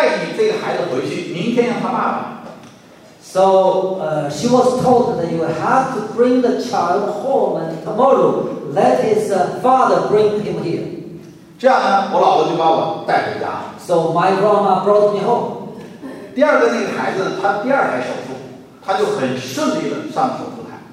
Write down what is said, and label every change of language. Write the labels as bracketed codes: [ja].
[zh] 所以那医生说了，你必须要带你这个孩子回去，明天要他爸爸。 [en] So she was told that you have to bring the child home tomorrow. Let his father bring him here. [zh] 这样呢，我姥姥就把我带回家。So [en] my grandma brought me home. [zh] 第二个那个孩子，他第二台手术，他就很顺利的上手术台。